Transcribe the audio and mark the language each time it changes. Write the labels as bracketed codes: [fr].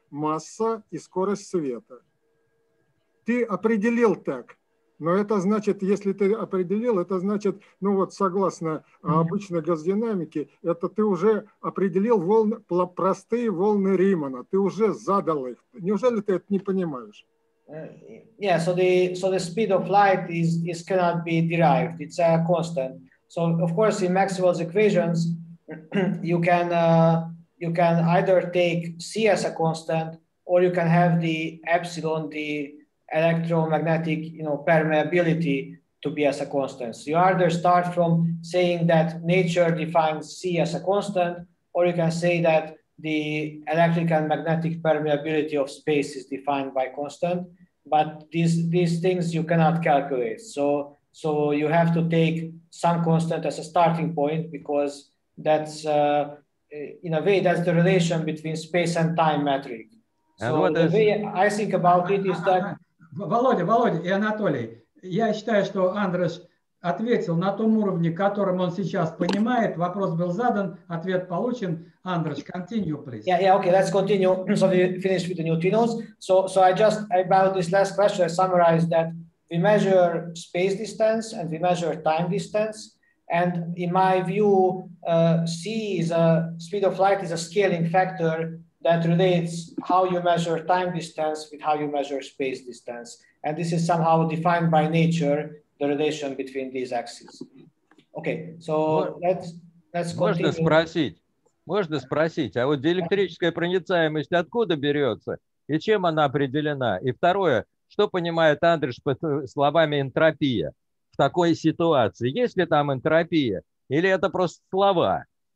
[ru] Масса и скорость света. Ты определил так. Но это значит, если ты определил, это значит, ну вот согласно обычной газодинамике, это ты уже определил волны, простые волны Риммана, ты уже задал их. Неужели ты это не понимаешь? [en] Yeah, so the speed of light is cannot be derived. It's a constant. So of course in Maxwell's equations you can either take C as a constant, or you can have the epsilon, the electromagnetic, you know, permeability to be as a constant. So you either start from saying that nature defines C as a constant, or you can say that the electric and magnetic permeability of space is defined by constant. But these things you cannot calculate. So you have to take some constant as a starting point, because that's in a way that's the relation between space and time metric. So the way I think about it is that. [ru] Володя и Анатолий, я считаю, что Андрес ответил на том уровне, которым он сейчас понимает. Вопрос был задан, ответ получен. [en] Андрес, continue, please. Yeah, okay, let's continue. So we finished with the neutrinos. So I just, about this last question, I summarized that we measure space distance and we measure time distance. And in my view, C is a speed of light is a scaling factor that relates how you measure time distance with how you measure space distance. And this is somehow defined by nature, the relation between these axes. Okay, so let's continue. [ru] Можно спросить, а вот диэлектрическая проницаемость откуда берется и чем она определена? И второе, что понимает Андрес под словами энтропия в такой ситуации? Есть ли там энтропия или это просто слова?